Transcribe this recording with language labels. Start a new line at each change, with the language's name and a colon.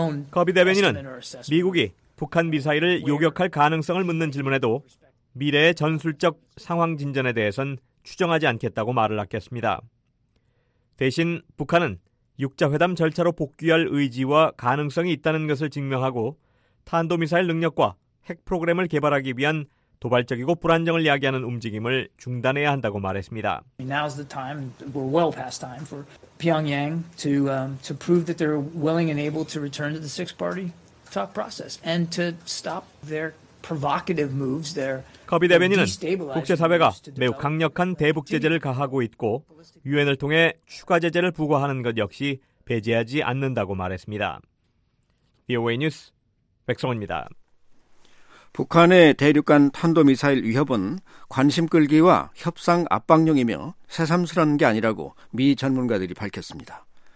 Korean: 커비 대변인은 미국이 북한 미사일을 요격할 가능성을 묻는 질문에도 미래의 전술적 상황 진전에 대해선 추정하지 않겠다고 말을 아꼈습니다. 대신 북한은 육자회담 절차로 복귀할 의지와 가능성이 있다는 것을 증명하고 탄도미사일 능력과 핵 프로그램을 개발하기 위한 도발적이고 불안정을 야기하는 움직임을 중단해야 한다고 말했습니다.
English: Now's the time. We're well past time for Pyongyang to prove that they're willing and able to return to the six-party talk process and to stop their provocative moves there.
Korean: 커비 대변인은 국제사회가 매우 강력한 대북 제재를 가하고 있고 유엔을 통해 추가 제재를 부과하는 것 역시 배제하지 않는다고 말했습니다. VOA 뉴스 백성원입니다. 북한의 대륙간 탄도미사일 위협은 관심 끌기와 협상 압박용이며 새삼스러운 게 아니라고 미 전문가들이 밝혔습니다.